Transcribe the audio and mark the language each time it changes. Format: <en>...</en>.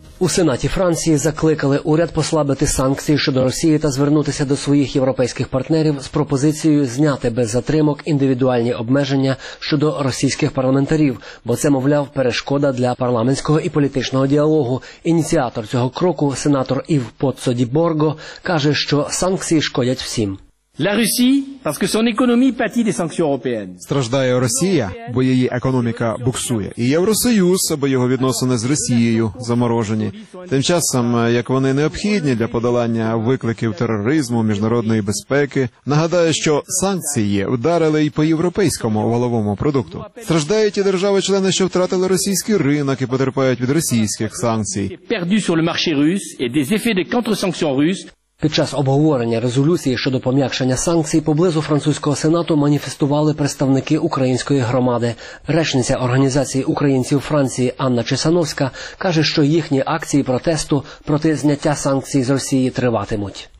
<uk>У Сенаті Франції закликали уряд послабити санкції щодо Росії та звернутися до своїх європейських партнерів з пропозицією зняти без затримок індивідуальні обмеження щодо російських парламентарів, бо це, мовляв, перешкода для парламентського і політичного діалогу. Ініціатор цього кроку, сенатор Ів Поццо ді Борго, каже, що санкції шкодять всім.</uk> <fr>La Russie, parce que son économie pâtit des sanctions européennes.</fr> <uk>Страждає Росія, бо її економіка буксує. І Євросоюз, бо його відносини з Росією заморожені. Тим часом, як вони необхідні для подолання викликів тероризму, міжнародної безпеки. Нагадаю, що санкції вдарили і по європейському валовому продукту. Страждають і держави-члени, що втратили російський ринок і потерпають від російських санкцій.</uk> <fr>Perdu sur le marché russe et des effets de contre-sanctions russes.</fr> <uk>Під час обговорення резолюції щодо пом'якшення санкцій поблизу французького сенату маніфестували представники української громади. Речниця організації українців Франції Анна Чесановська каже, що їхні акції протесту проти зняття санкцій з Росії триватимуть.</uk>